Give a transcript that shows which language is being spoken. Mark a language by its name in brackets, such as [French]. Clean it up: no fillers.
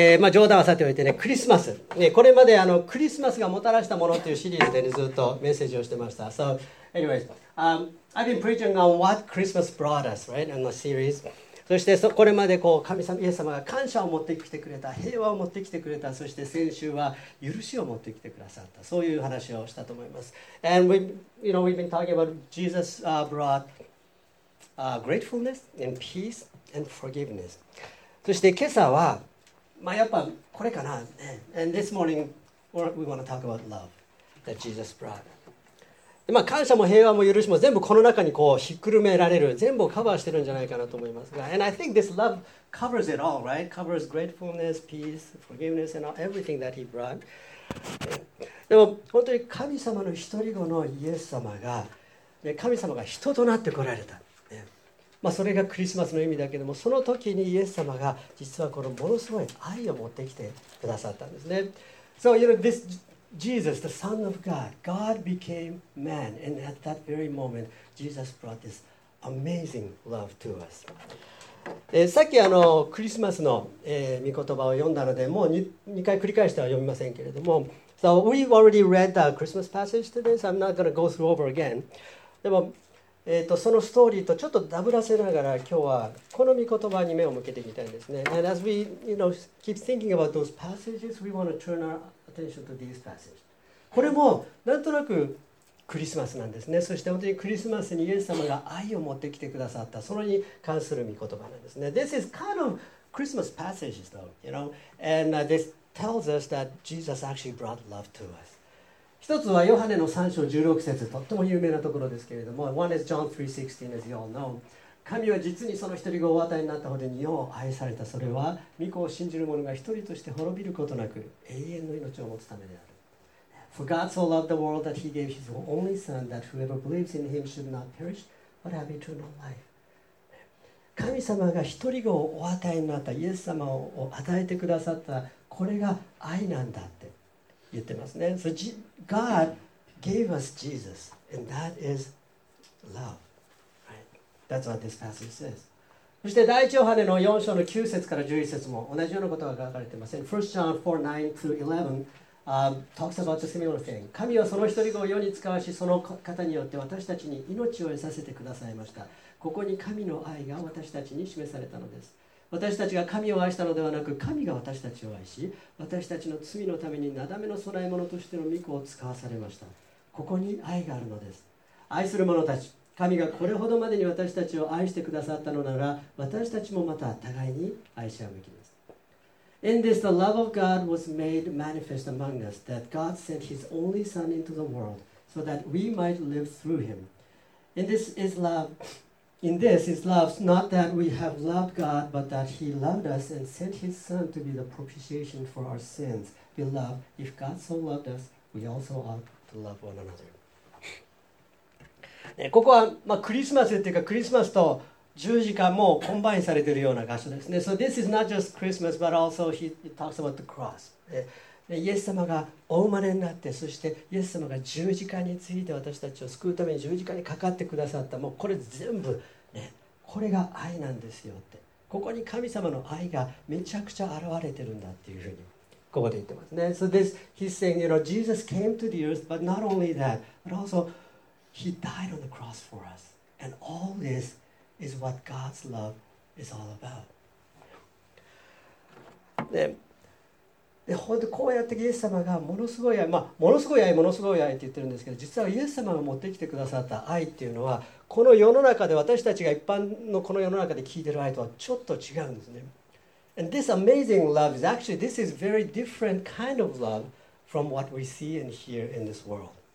[Japanese] 冗談はさておいてね、クリスマス、これまでクリスマスがもたらしたものというシリーズで、ね、ずっとメッセージをしてました。 [English] So anyways, I've been preaching on what Christmas brought us, right, in the series. [Japanese] そしてこれまでこう神様、イエス様が感謝を持ってきてくれた、平和を持ってきてくれた、そして先週は許しを持ってきてくださった、そういう話をしたと思います。 [English] And we, you know, we've been talking about Jesus brought gratefulness and peace and forgiveness. [Japanese] そして今朝は、まあやっぱこれかな。 [English] And this morning we want to talk about love that Jesus brought. [Japanese] まあ、感謝も平和も許しも全部この中にこうひっくるめられる、全部をカバーしてるんじゃないかなと思いますが、 [English] And I think this love covers it all, right? Covers gratefulness, peace, forgiveness, and everything that he brought. [Japanese] でも本当に神様の一人子のイエス様が、神様が人となってこられた、まあ、それがクリスマスの意味だけども、その時にイエス様が実はこのものすごい愛を持ってきてくださったんですね。 [English] So you know thisJesus, the Son of God, God became man, and at that very moment, Jesus brought this amazing love to us. [Japanese] さっきクリスマスの、御言葉を読んだので、もう 2回繰り返しては読みませんけれども、 [English] So we already read the Christmas passage today, so I'm not going to go through over again. [Japanese] でも、そのストーリーとちょっとダブらせながら、今日はこの御言葉に目を向けてみたいですね。 [English] And as we, you know, keep thinking about those passages, we want to turn our attention to these passages. [Japanese] これもなんとなくクリスマスなんですね。そして本当にクリスマスにイエス様が愛を持ってきてくださった、それに関する御言葉なんですね。 [English] This is kind of Christmas passages though, you know, and this tells us that Jesus actually brought love to us. [Japanese] 一つはヨハネの3章16節、とっても有名なところですけれども、 [English] One is John 3:16, as you all know. [Japanese] 神は実にその一人子をお与えになったほどに世を愛された。それは、御子を信じる者が一人として滅びることなく、永遠の命を持つためである。 [English] For God so loved the world that he gave his only son, that whoever believes in him should not perish, but have eternal life. [Japanese] 神様が一人子をお与えになった、イエス様を与えてくださった、これが愛なんだって。言ってますね。 [English] So, God gave us Jesus, and that is love. Right? That's what this passage says. [Japanese] そして第一ヨハネの4章の9節から11節も同じようなことが書かれています。 [English] 1 John 4:9-11 talks about the similar thing. [Japanese] 神はその一人子を世に遣わし、その方によって私たちに命を得させてくださいました。ここに神の愛が私たちに示されたのです。私たちが神を愛したのではなく、神が私たちを愛し、私たちの罪のためになだめの供え物としての御子を使わされました。ここに愛があるのです。愛する者たち、神がこれほどまでに私たちを愛してくださったのなら、私たちもまた互いに愛し合うべきです。 [English] In this, the love of God was made manifest among us, that God sent his only Son into the world, so that we might live through him. In this is love. In this is love, not that we have loved God, but that he loved us and sent his son to be the propitiation for our sins. Beloved, if God so loved us, we also ought to love one another. [Japanese] ここは、まあ、クリスマスっていうか、クリスマスと十字架もコンバインされているような場所ですね。 [English] So this is not just Christmas, but also he talks about the cross. [Japanese] イエス様がお生まれになって、そしてイエス様が十字架について私たちを救うために十字架にかかってくださった、もうこれ全部、ね、これが愛なんですよって、ここに神様の愛がめちゃくちゃ現れてるんだっていうふうにここで言ってますね。 [English] So this, he's saying, you know, Jesus came to the earth, but not only that, but also he died on the cross for us. And all this is what God's love is all about. [Japanese] で、こうやってイエス様がものすごい愛、まあ、ものすごい愛、ものすごい愛って言ってるんですけど、実はイエス様が持ってきてくださった愛っていうのは、この世の中で私たちが一般のこの世の中で聞いてる愛とはちょっと違うんですね。 [English] And this amazing love is actually, this is very different kind of love from what we see and hear in this world.